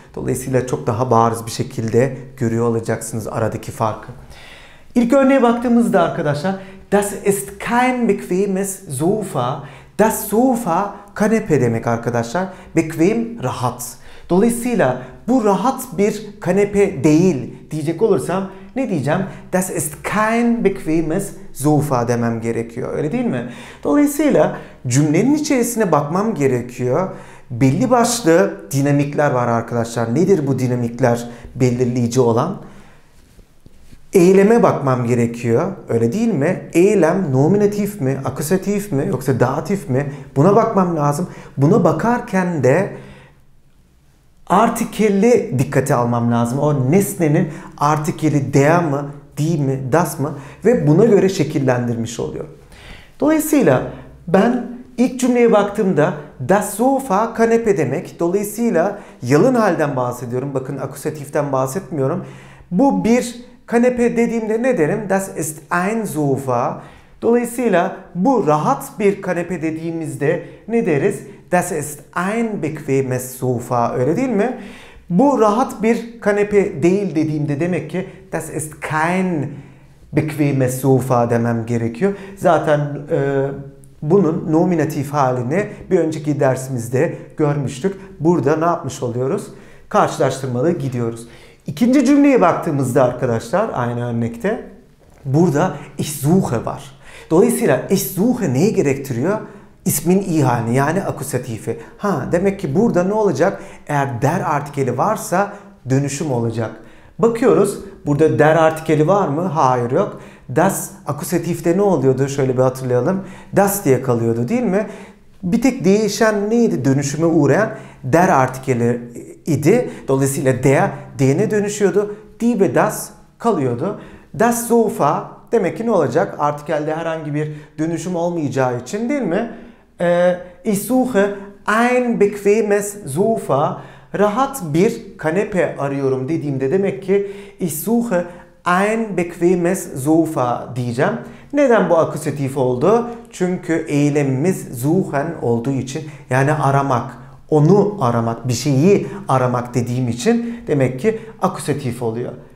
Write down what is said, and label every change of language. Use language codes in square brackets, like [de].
[tr] Dolayısıyla çok daha bariz bir şekilde görüyor olacaksınız aradaki farkı. İlk örneğe baktığımızda arkadaşlar [de] das ist kein bequemes Sofa. [tr] Das Sofa kanepe demek arkadaşlar. Bequem rahat. Dolayısıyla bu rahat bir kanepe değil diyecek olursam ne diyeceğim? [de] Das ist kein bequemes Sofa [tr] demem gerekiyor. Öyle değil mi? Dolayısıyla cümlenin içerisine bakmam gerekiyor. Belli başlı dinamikler var arkadaşlar. Nedir bu dinamikler belirleyici olan? Eyleme bakmam gerekiyor. Öyle değil mi? Eylem nominatif mi, akusatif mi yoksa datif mi? Buna bakmam lazım. Buna bakarken de artikelli dikkate almam lazım. O nesnenin artikeli der mı, die mi, das mı ve buna göre şekillendirmiş oluyor. Dolayısıyla ben ilk cümleye baktığımda das Sofa kanepe demek. Dolayısıyla yalın halden bahsediyorum. Bakın akusatiften bahsetmiyorum. Bu bir kanepe dediğimde ne derim? [de] Das ist ein Sofa. [tr] Dolayısıyla bu rahat bir kanepe dediğimizde ne deriz? [de] Das ist ein bequemes Sofa. [tr] Öyle değil mi? Bu rahat bir kanepe değil dediğimde demek ki [de] das ist kein bequemes Sofa [tr] demem gerekiyor. Zaten bunun nominatif halini bir önceki dersimizde görmüştük. Burada ne yapmış oluyoruz? Karşılaştırmalı gidiyoruz. İkinci cümleye baktığımızda arkadaşlar aynı örnekte burada ich suche var. Dolayısıyla ich suche neyi gerektiriyor? İsmin i halini yani akusatifi. Ha demek ki burada ne olacak? Eğer der artikeli varsa dönüşüm olacak. Bakıyoruz burada der artikeli var mı? Hayır yok. Das akusatifte ne oluyordu? Şöyle bir hatırlayalım. Das diye kalıyordu değil mi? Bir tek değişen neydi? Dönüşüme uğrayan der artikeli idi. Dolayısıyla der, de'ne dönüşüyordu. Die ve das kalıyordu. Das Sofa demek ki ne olacak? Artikelde herhangi bir dönüşüm olmayacağı için değil mi? [de] Ich suche ein bequemes Sofa. [tr] Rahat bir kanepe arıyorum dediğimde demek ki [de] Ich suche ein bequemes Sofa [tr] diyeceğim. Neden bu akusatif oldu? Çünkü eylemimiz suchen olduğu için, yani aramak, onu aramak, bir şeyi aramak dediğim için demek ki akusatif oluyor.